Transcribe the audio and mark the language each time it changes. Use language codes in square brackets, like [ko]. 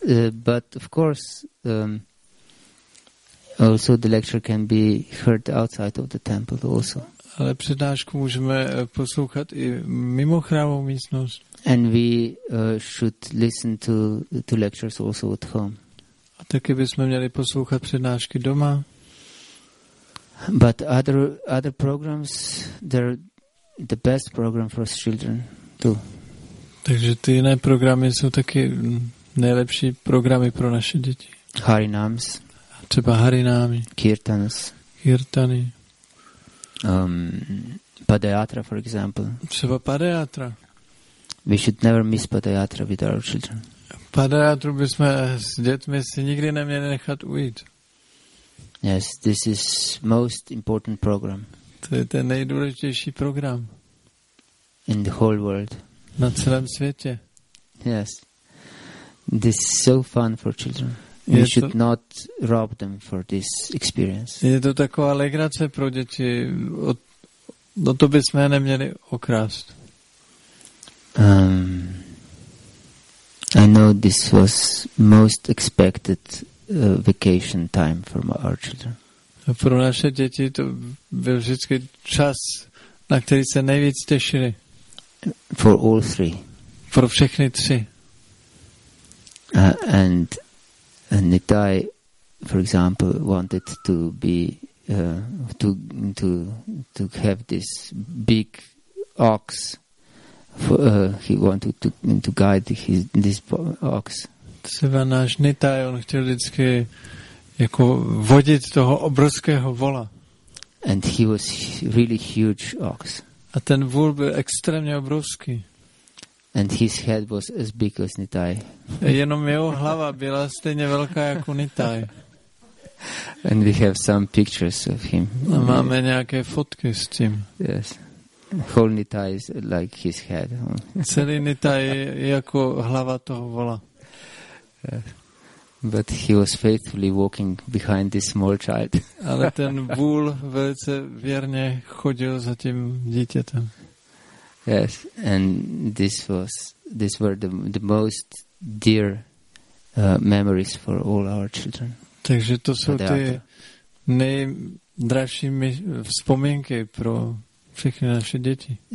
[en] But of course also the lecture can be heard outside of the temple also. [cs] Ale přednášku můžeme poslouchat i mimo chrámovou místnost. [en] And we should listen to lectures also at home. [cs] A taky bychom měli poslouchat přednášky doma. [en] But other programs, they're the best program for us children too. [cs] Takže ty jiné programy jsou taky nejlepší programy pro naše děti. [en] Harinams. [cs] Třeba Harinami. [en] Kirtans. [cs] Kirtany. [en] Padayatra, for example. [cs] Třeba Padayatra. [en] We should never miss Padayatra with our children. [cs] Padayatru bychom s dětmi si nikdy neměli nechat ujít. [en] Yes, this is most important program. [cs] To je ten nejdůležitější program. [en] In the whole world. [cs] Na celém světě. [en] Yes. This is so fun for children. We should not rob them for this experience. [cs] Je to taková legrace pro děti. No to bychom je neměli okrást. [en] I know this was most expected vacation time for my our children. [cs] Pro naše děti to byl vždycky čas, na který se nejvíc těšili. [en] For all three. [cs] Pro všechny tři. [en] And Nitai, for example, wanted to be to have this big ox. He wanted to guide this ox. [cs] Třeba náš Nitai, on chtěl vždycky jako vodit toho obrovského vola. [en] And he was really huge ox. [cs] A ten vůl byl extrémně obrovský. [en] And his head was as big as Nitai. [cs] Jenom jeho hlava byla stejně velká jako Nitai. [en] And we have some pictures of him. [cs] A máme nějaké fotky s tím. [en] Yes. Whole Nitai is like his head. [cs] Celý Nitai jako hlava toho vola. [en] But he was faithfully walking behind this small child. [cs] Ale ten vůl velice věrně chodil za tím dítětem. [en] Yes, and these were the most dear memories for all our children. [cs] Takže to jsou ty nejdražší vzpomínky pro všechny naše děti.